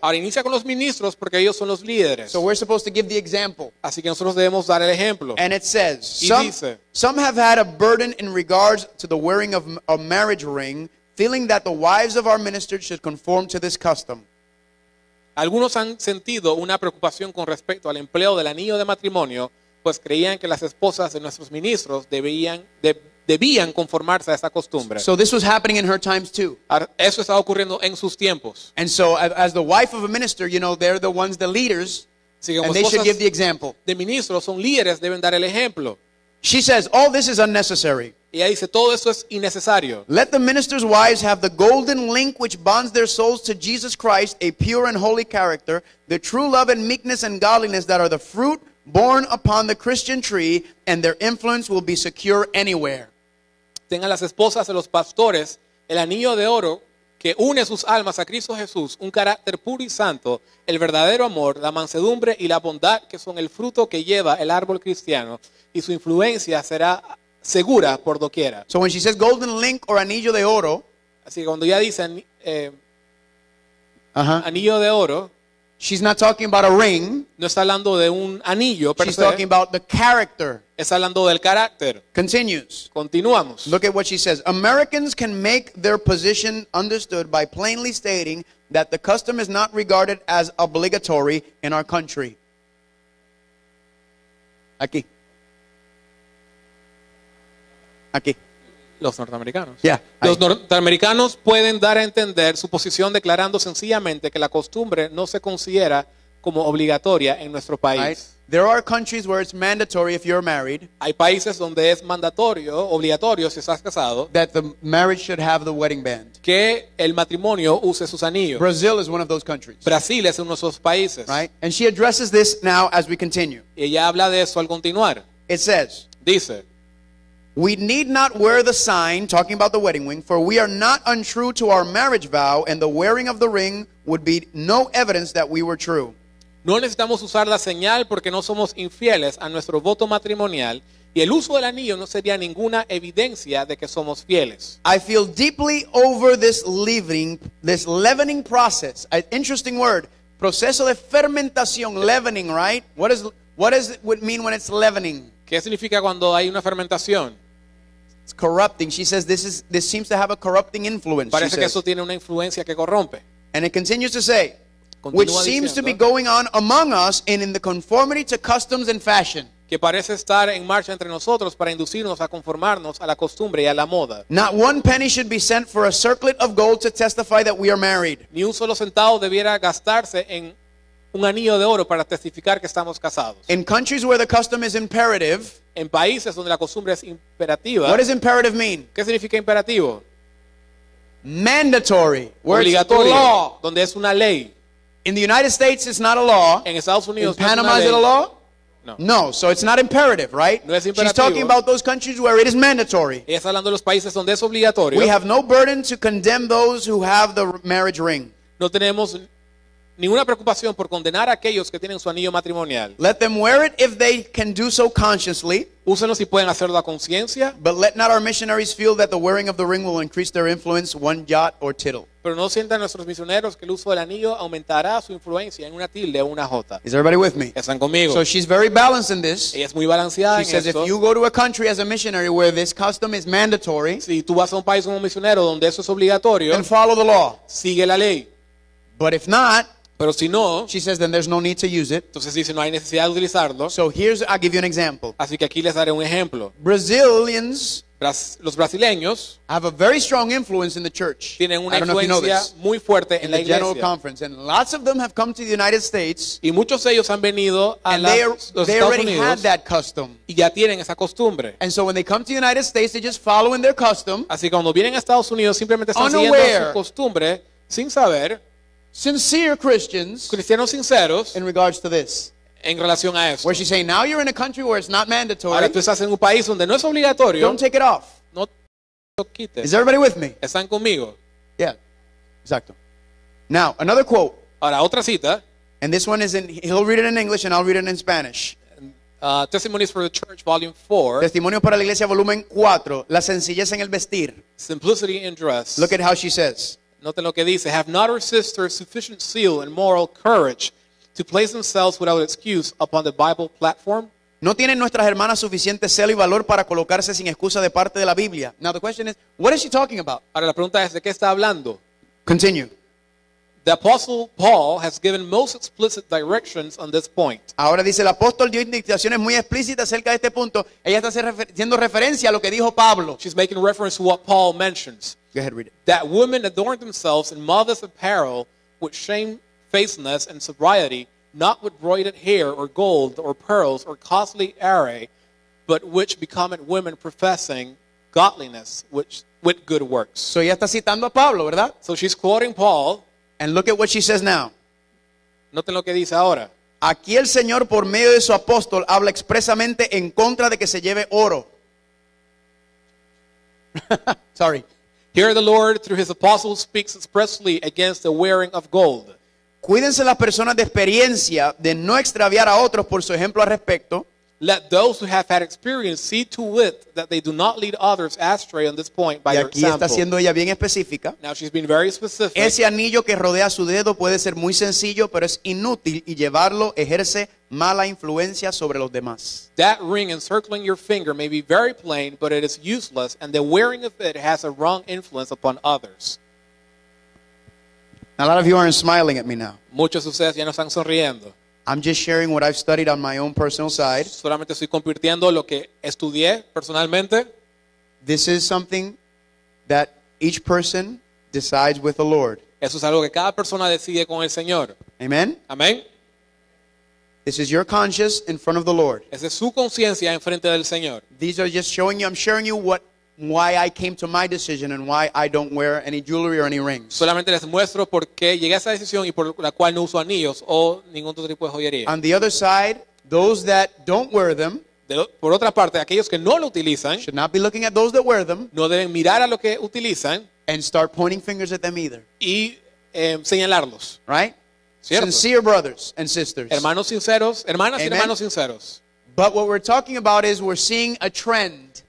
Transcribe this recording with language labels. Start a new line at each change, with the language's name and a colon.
Spanish: Ahora inicia con los ministros porque ellos son los líderes.
English: So we're supposed to give the example.
Spanish: Así que nosotros debemos dar el ejemplo.
English: And it says, some have had a burden in regards to the wearing of a marriage ring, feeling that the wives of our ministers should conform to this custom.
Spanish: Algunos han sentido una preocupación con respecto al empleo del anillo de matrimonio, pues creían que las esposas de nuestros ministros debían debían conformarse a esa costumbre.
English: So this was happening in her times too.
Spanish: Eso estaba ocurriendo en sus tiempos.
English: And so as the wife of a minister, you know, they're the ones, the leaders,
Spanish: sí, como
English: and they should give the example.
Spanish: De ministros son líderes, deben dar el ejemplo.
English: She says, all this is unnecessary.
Spanish: Ella dice, todo esto es innecesario.
English: Let the ministers' wives have the golden link which bonds their souls to Jesus Christ, a pure and holy character, the true love and meekness and godliness that are the fruit born upon the Christian tree, and their influence will be secure anywhere.
Spanish: Tengan las esposas de los pastores el anillo de oro que une sus almas a Cristo Jesús, un carácter puro y santo, el verdadero amor, la mansedumbre y la bondad que son el fruto que lleva el árbol cristiano, y su influencia será segura por doquiera.
English: So when she says golden link or
Spanish: anillo de oro, así que cuando ella dice anillo de oro,
English: she's not talking about a ring.
Spanish: No está hablando de un anillo.
English: She's talking about the character.
Spanish: Está hablando del carácter.
English: Continues.
Spanish: Continuamos.
English: Look at what she says. Americans can make their position understood by plainly stating that the custom is not regarded as obligatory in our country.
Spanish: Aquí. Aquí. Los norteamericanos.
English: Yeah,
Spanish: los norteamericanos pueden dar a entender su posición declarando sencillamente que la costumbre no se considera como obligatoria en nuestro país.
English: Right. There are countries where it's mandatory if you're married.
Spanish: Hay países donde es mandatorio, obligatorio si estás casado.
English: That the marriage should have the wedding band.
Spanish: Que el matrimonio use sus anillos.
English: Brazil is one of those countries.
Spanish: Brasil es uno de esos países.
English: Right. And she addresses this now as we continue.
Spanish: Y ella habla de eso al continuar.
English: It says.
Spanish: Dice.
English: We need not wear the sign, talking about the wedding ring, for we are not untrue to our marriage vow, and the wearing of the ring would be no evidence that we were true.
Spanish: No necesitamos usar la señal porque no somos infieles a nuestro voto matrimonial, y el uso del anillo no sería ninguna evidencia de que somos fieles.
English: I feel deeply over this leavening process. An interesting word.
Spanish: Proceso de fermentación,
English: leavening, right? What does it mean when it's leavening?
Spanish: ¿Qué significa cuando hay una fermentación?
English: It's corrupting. She says this seems to have a corrupting influence.
Spanish: Parece que eso tiene una influencia que corrompe.
English: And it continues to say,
Spanish: continúa
English: which
Spanish: diciendo,
English: seems to be going on among us and in the conformity to customs and fashion.
Spanish: Que parece estar en marcha entre nosotros para inducirnos a conformarnos a la costumbre y a la moda.
English: Not one penny should be sent for a circlet of gold to testify that we are married.
Spanish: Ni un solo centavo debiera gastarse en un anillo de oro para testificar que estamos casados.
English: In countries where the custom is imperative,
Spanish: en países donde la costumbre es imperativa,
English: what does imperative mean?
Spanish: ¿Qué significa imperativo?
English: Mandatory.
Spanish: Obligatorio.
English: It's a law.
Spanish: Donde es una ley.
English: In the United States, it's not a law.
Spanish: En Estados Unidos,
English: in Panama, is it a law?
Spanish: No.
English: So it's not imperative, right?
Spanish: No es imperativo.
English: She's talking about those countries where it is mandatory.
Spanish: Ella está hablando de los países donde es obligatorio.
English: We have no burden to condemn those who have the marriage ring.
Spanish: No tenemos ninguna preocupación por condenar a aquellos que tienen su anillo matrimonial.
English: Let them wear it if they can do so consciously.
Spanish: Úsenlo si pueden hacerlo a conciencia.
English: But let not our missionaries feel that the wearing of the ring will increase their influence one jot or tittle.
Spanish: Pero no sientan nuestros misioneros que el uso del anillo aumentará su influencia en una tilde o una jota.
English: Is everybody with me?
Spanish: ¿Están conmigo?
English: So she's very balanced in this.
Spanish: Ella es muy balanceada
English: she
Spanish: en esto.
English: She says, if you go to a country as a missionary where this custom is mandatory,
Spanish: si tú vas a un país como misionero donde eso es obligatorio,
English: then follow the law.
Spanish: Sigue la ley.
English: But if not,
Spanish: pero si no,
English: she says, then there's no need to use it.
Spanish: Entonces dice, no hay necesidad de utilizarlo.
English: So here's, I'll give you an example.
Spanish: Así que aquí les daré un ejemplo.
English: Brazilians,
Spanish: los brasileños,
English: have a very strong influence in the church.
Spanish: Tienen una influencia muy fuerte en la iglesia.
English: In the General Conference, and lots of them have come to the United States.
Spanish: Y muchos de ellos han venido a los Estados Unidos.
English: They already had that custom.
Spanish: Y ya tienen esa costumbre.
English: And so when they come to the United States, they're just following their custom.
Spanish: Así que cuando vienen a Estados Unidos, simplemente están siguiendo su costumbre sin saber.
English: Sincere Christians,
Spanish: cristianos sinceros,
English: in regards to this,
Spanish: en relación a esto,
English: where she's saying now you're in a country where it's not mandatory.
Spanish: Ahora tú estás en un país donde no es obligatorio.
English: Don't take it off.
Spanish: No lo quites.
English: Is everybody with me?
Spanish: Están conmigo.
English: Yeah, exacto. Now another quote.
Spanish: Ahora otra cita.
English: And this one is in. He'll read it in English, and I'll read it in Spanish. Testimonies for the Church, Volume 4.
Spanish: Testimonio para la Iglesia, Volumen 4. La sencillez en el vestir.
English: Simplicity in dress. Look at how she says.
Spanish: Noten lo que dice,
English: have not her sisters sufficient zeal and moral courage to place themselves without excuse upon the Bible platform?
Spanish: No tienen nuestras hermanas suficiente celo y valor para colocarse sin excusa de parte de la Biblia.
English: Now the question is, what is she talking about?
Spanish: Ahora la pregunta es, ¿de qué está hablando?
English: Continue. The Apostle Paul has given most explicit directions on this point.
Spanish: Ahora dice, el apóstol dio indicaciones muy explícitas acerca de este punto. Ella está haciendo referencia a lo que dijo Pablo.
English: She's making reference to what Paul mentions. Go ahead, read it. That women adorn themselves in modest apparel with shamefacedness and sobriety, not with broided hair or gold or pearls or costly array, but which become it women professing godliness which, with good works.
Spanish: So ella está citando a Pablo, ¿verdad?
English: So she's quoting Paul. And look at what she says now.
Spanish: Noten lo que dice ahora. Aquí el Señor por medio de su apóstol habla expresamente en contra de que se lleve oro.
English: Sorry. Here the Lord through his apostle speaks expressly against the wearing of gold.
Spanish: Cuídense las personas de experiencia de no extraviar a otros por su ejemplo al respecto.
English: Let those who have had experience see to it that they do not lead others astray on this point by their example.
Spanish: Y aquí está siendo ella bien específica.
English: Now she's been very specific.
Spanish: Ese anillo que rodea su dedo puede ser muy sencillo, pero es inútil y llevarlo ejerce mala influencia sobre los demás.
English: That ring encircling your finger may be very plain, but it is useless, and the wearing of it has a wrong influence upon others. Now, a lot of you aren't smiling at me now.
Spanish: Muchos de ustedes ya no están sonriendo.
English: I'm just sharing what I've studied on my own personal side.
Spanish: Solamente estoy compartiendo lo que estudié personalmente.
English: This is something that each person decides with the Lord.
Spanish: Eso es algo que cada persona decide con el Señor.
English: Amen. Amen. This is your conscience in front of the Lord.
Spanish: Esa es su conciencia en frente del Señor.
English: These are just showing you, I'm sharing you what, why I came to my decision and why I don't wear any jewelry or any rings.
Spanish: Solamente les muestro por qué llegué a esa decisión y por la cual no uso anillos o ningún otro tipo de joyería.
English: On the other side, those that don't wear them,
Spanish: por otra parte, aquellos que no lo utilizan,
English: should not be looking at those that wear them,
Spanish: no deben mirar a lo que utilizan,
English: and start pointing fingers at them either.
Spanish: Y señalarlos,
English: right?
Spanish: ¿Cierto?
English: Sincere brothers and sisters.
Spanish: Hermanos sinceros, hermanas.
English: Amen.
Spanish: Y hermanos sinceros.
English: But what we're talking about is we're seeing a trend.